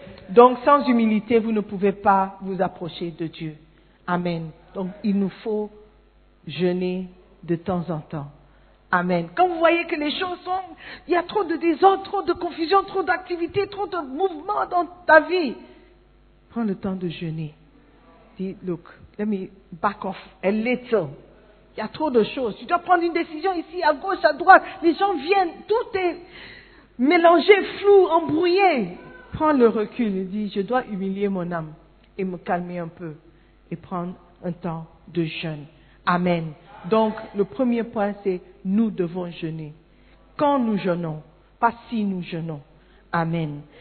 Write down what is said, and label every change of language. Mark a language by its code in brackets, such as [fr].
[fr] Donc sans humilité, vous ne pouvez pas vous approcher de Dieu. Amen. Donc il nous faut jeûner de temps en temps. Amen. Quand vous voyez que les choses sont, il y a trop de désordre, trop de confusion, trop d'activité, trop de mouvement dans ta vie, prends le temps de jeûner. Dis, [en] look, let me back off a little. [fr] Il y a trop de choses. Tu dois prendre une décision ici, à gauche, à droite. Les gens viennent, tout est mélangé, flou, embrouillé. Prends le recul et dis, je dois humilier mon âme et me calmer un peu et prendre un temps de jeûne. Amen. Donc, le premier point, c'est nous devons jeûner. Quand nous jeûnons, pas si nous jeûnons. Amen.